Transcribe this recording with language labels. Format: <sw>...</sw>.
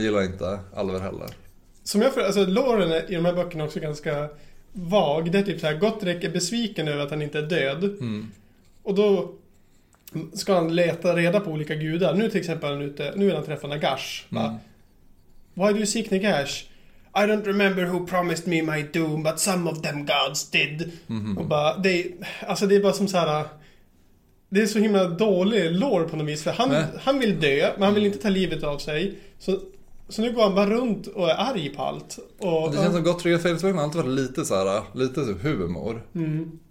<sv>gillar inte alver heller. Som jag förstår, alltså loren i de här böckerna också ganska vag. Det är typ så här, Gotrek är besviken över att han inte är död. Mm. Och då ska han leta reda på olika gudar. Nu till exempel nu är han träffar Nagash.</sv> <en>Why do you seek Nagash? I don't remember who promised me my doom, but some of them gods did. Mm-hmm.</en> <sv>Och bara, alltså det är bara som så här. Det är så himla dålig lore på något vis. För han vill dö, men han vill inte ta livet av sig. Så nu går han bara runt och är arg på allt. Och det känns som gott trygg och fel. Han har alltid varit lite så här, lite typ humor. Mm.</sv>